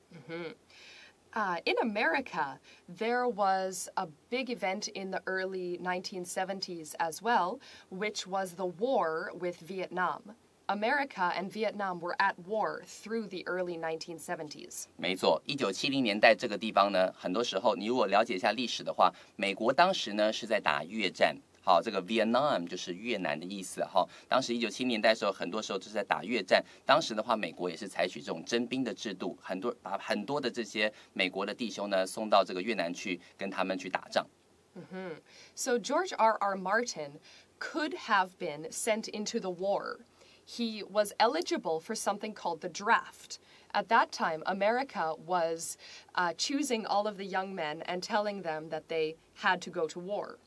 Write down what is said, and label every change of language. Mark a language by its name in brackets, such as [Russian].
[English] In America, there was a big event in the early 1970s as well, which was the war with Vietnam. America and Vietnam were at war through the early 1970s. [Chinese] 没错，1970年代这个地方呢，很多时候你如果了解一下历史的话，美国当时呢是在打越战。好，这个 Vietnam 就是越南的意思哈。当时1970年代的时候，很多时候就是在打越战。当时的话，美国也是采取这种征兵的制度，把很多的这些美国的弟兄呢送到这个越南去跟他们去打仗。 [English] Mm-hmm. So George R. R. Martin could have been sent into the war. He was eligible for something called the draft. At that time, America was choosing all of the young men and telling them that they had to go to war.